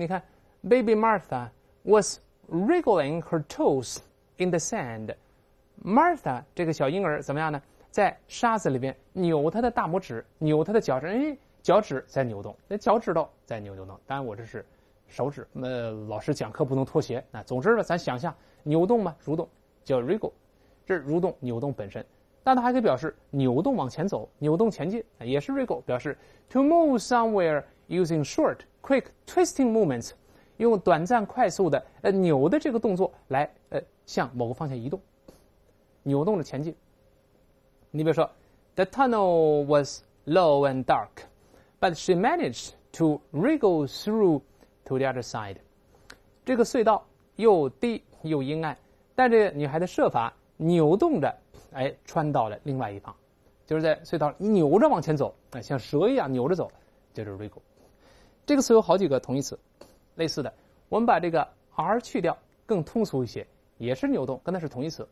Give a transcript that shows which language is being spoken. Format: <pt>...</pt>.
<zh>你看</zh> <en>，Baby Martha was wriggling her toes in the sand。</en> <zh>Martha 这个小婴儿怎么样呢？在沙子里边扭他的大拇指，扭他的脚趾，脚趾在扭动，那脚趾头在扭动。当然我这是手指，老师讲课不能脱鞋。总之吧，咱想象扭动嘛，蠕动叫 wriggle。是蠕动、扭动本身，但它还可以表示扭动往前走、扭动前进，也是 wriggle， 表示</zh> <en>to move somewhere using short, quick, twisting movements，</en> <zh>用短暂、快速的扭的这个动作来向某个方向移动、扭动的前进。你比如说</zh> <en>，the tunnel was low and dark, but she managed to wriggle through to the other side。</en> <zh>这个隧道又低又阴暗，但这女孩的设法。扭动着，穿到了另外一方，就是在隧道扭着往前走，像蛇一样扭着走，就是 wriggle。这个词有好几个同义词类似的，我们把这个 r 去掉更通俗一些，也是扭动，跟它是同义词。</zh>